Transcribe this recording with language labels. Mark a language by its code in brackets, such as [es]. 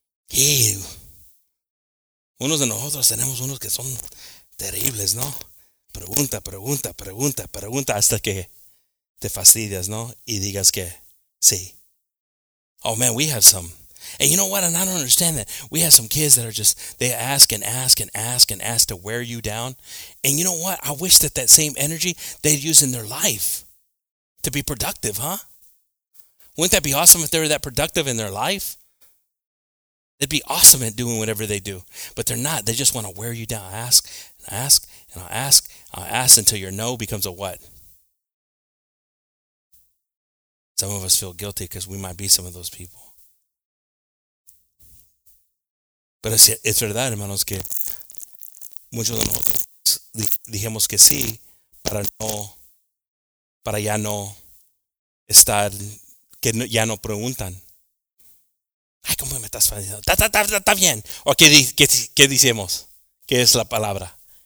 [es] Y unos de nosotros tenemos unos que son terribles, ¿no? Pregunta hasta que te fastidias, ¿no? Y digas que sí. [en] Oh man, we have some. And you know what? And I don't understand that. We have some kids that are just, they ask and ask and ask and ask to wear you down. And you know what? I wish that that same energy they'd use in their life to be productive, huh? Wouldn't that be awesome if they were that productive in their life? It'd be awesome at doing whatever they do. But they're not. They just want to wear you down. Ask and ask and I'll ask until your no becomes a what? Some of us feel guilty because we might be some of those people. [es] Pero es verdad, hermanos, que muchos de nosotros dijimos que sí para no, para ya no estar, que no, ya no preguntan. Ay, ¿cómo me estás fallando? Está bien. ¿O qué decimos? ¿Qué es la palabra?